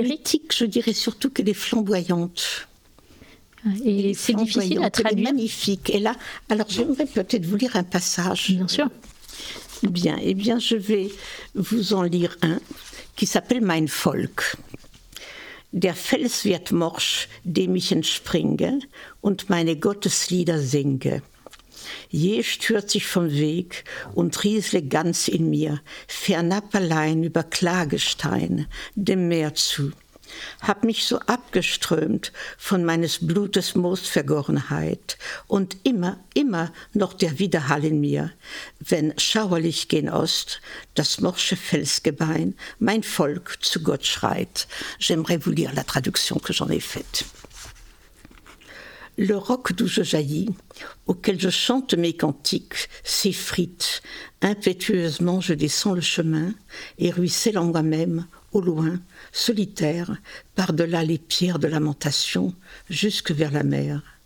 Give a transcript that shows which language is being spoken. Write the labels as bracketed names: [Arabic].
[French] Hermétique, je dirais surtout qu'elle est flamboyante. Et c'est difficile à traduire. Elle est magnifique. Et là, alors j'aimerais peut-être vous lire un passage. Bien sûr. Eh bien, je vais vous en lire un qui s'appelle « Mein Volk ». [German] Der Fels wird morsch, dem ich entspringe und meine Gotteslieder singe. Je stürzt sich vom Weg und riesle ganz in mir, fernab allein über Klagestein, dem Meer zu. hab mich so abgeströmt von meines Blutes Moosvergorenheit und immer, immer noch der Widerhall in mir, wenn schauerlich gen Ost das morsche Felsgebein mein Volk zu Gott schreit. [French] J'aimerais vous lire la traduction que j'en ai faite. Le roc d'où je jaillis, auquel je chante mes cantiques, s'effrite. Impétueusement, je descends le chemin et ruisselle en moi-même, au loin, solitaire, par-delà les pierres de lamentation, jusque vers la mer.